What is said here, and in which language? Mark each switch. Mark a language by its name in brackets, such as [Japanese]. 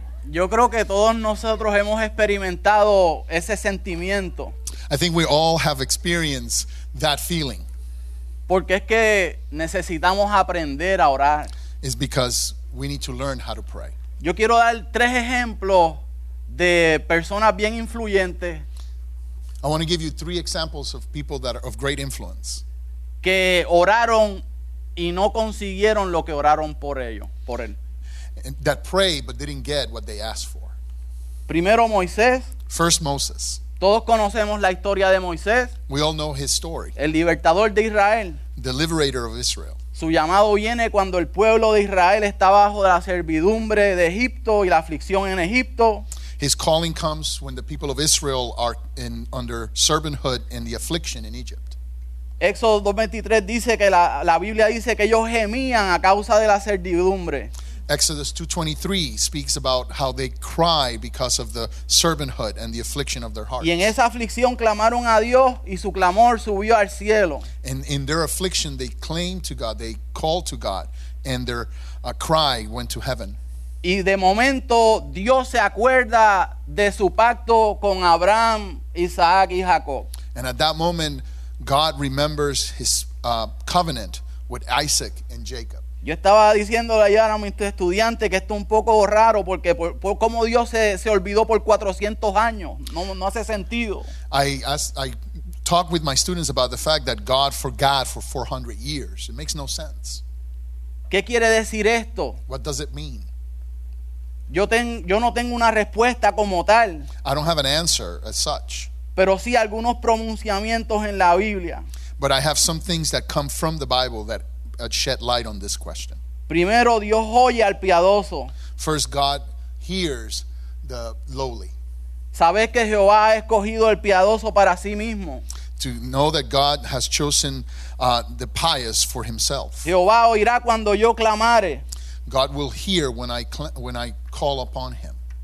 [Spanish] Yo creo que todos nosotros hemos experimentado ese sentimiento. [English] I think we all have experienced that feeling. [Spanish] Porque es que necesitamos aprender a orar. [English] It's because we need to learn how to pray. [Spanish] Yo quiero dar tres ejemplos de personas bien influyentes. [English] I want to give you three examples of people that are of great influence. [Spanish] Que oraron y no consiguieron lo que oraron por ellos, por él. [English] That prayed but didn't get what they asked for. [Spanish] Primero Moisés. [English] First Moses. [Spanish] Todos conocemos la historia de Moisés. [English] We all know his story. [Spanish] El libertador de Israel. [English] The liberator of Israel. [Spanish] Su llamado viene cuando el pueblo de Israel está bajo la servidumbre de Egipto y la aflicción en Egipto. [English] His calling comes when the people of Israel are in under servanthood and the affliction in Egypt. [Spanish] Éxodo 2:23 dice que la Biblia dice que ellos gemían a causa de la servidumbre. [English] Exodus 2:23 speaks about how they cry because of the servanthood and the affliction of their hearts. [Spanish] Y en esa aflicción clamaron a Dios y su clamor subió al cielo. [English] And in their affliction they claimed to God, they called to God, and their cry went to heaven. [Spanish] Y de momento Dios se acuerda de su pacto con Abraham, Isaac y Jacob. [English] And at that moment God remembers his covenant with Isaac and Jacob. [Spanish] Yo estaba diciéndole ayer a mis estudiantes que esto es un poco raro porque por cómo Dios se olvidó por 400 años, no hace sentido. [English] I talked with my students about the fact that God forgot for 400 years. It makes no sense. [Spanish] ¿Qué quiere decir esto? [English] What does it mean? [Spanish] Yo no tengo una respuesta como tal. [English] I don't have an answer as such. [Spanish] Pero sí algunos pronunciamientos en la Biblia. [English] But I have some things that come from the Bible that shed light on this question. [Spanish] Primero, Dios oye al piadoso. [English] First, God hears the lowly. [Spanish] Sabes que Jehová ha escogido el piadoso para sí mismo. [English] To know that God has chosen the pious for himself. [Spanish] Jehová oirá cuando yo clamare. [English] God will hear when I call upon him.